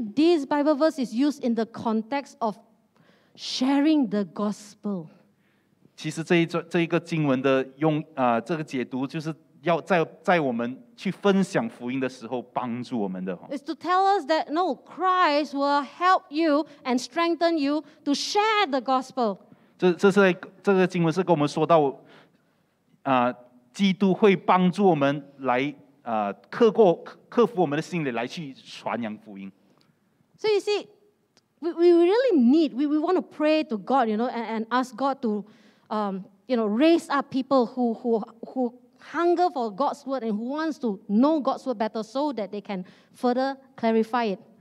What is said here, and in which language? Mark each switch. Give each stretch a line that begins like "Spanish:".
English: this Bible verse is used in the context of sharing the gospel.
Chinese: 其实这一段经文的解读就是要在我们去分享福音的时候帮助我们的。
English: It's to tell us that no, Christ will help you and strengthen you to share the gospel.
Chinese: 这经文是跟我们说到，基督会帮助我们来克服我们的心理，来去传扬福音。
English: So you see, we really need, we want to pray to God, you know, and ask God to, you know, raise up people who hunger for God's word and who wants to know God's word better so that they can further clarify it.